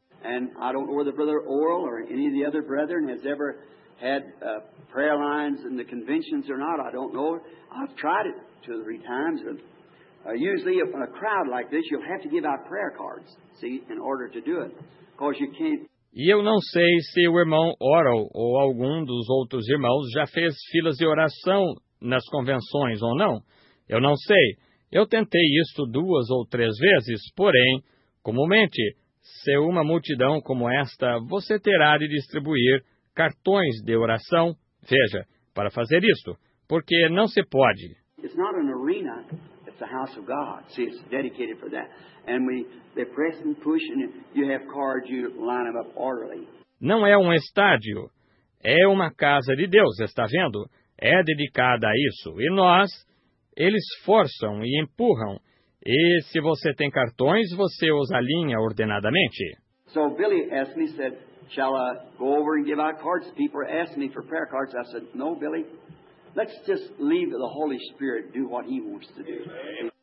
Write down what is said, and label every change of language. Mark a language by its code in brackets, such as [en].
[en] And I don't know whether Brother Oral or any of the other brethren has ever had prayer lines in the conventions or not. I don't know. I've tried it 2 or 3 times. Usually in a crowd like this, you'll have to give out prayer cards, see, in order to do it. Because you can't. [pt] E eu não sei se o irmão Oral ou algum dos outros irmãos já fez filas de oração nas convenções ou não. Eu não sei. Eu tentei isso 2 ou 3 vezes, porém, comumente, se uma multidão como esta, você terá de distribuir cartões de oração, veja, para fazer isto, porque não se pode. [en] It's not an arena, it's a house of God. See, it's dedicated for that. And they press and push and you have cards, you line them up orderly. [pt] Não é um estádio, é uma casa de Deus, está vendo? É dedicada a isso. E nós, eles forçam e empurram. E se você tem cartões, você os alinha ordenadamente. [en] So Billy asked me, said, shall I go over and give out cards? People asked me for prayer cards. I said, no, Billy. Let's just leave the Holy Spirit do what he wants to do.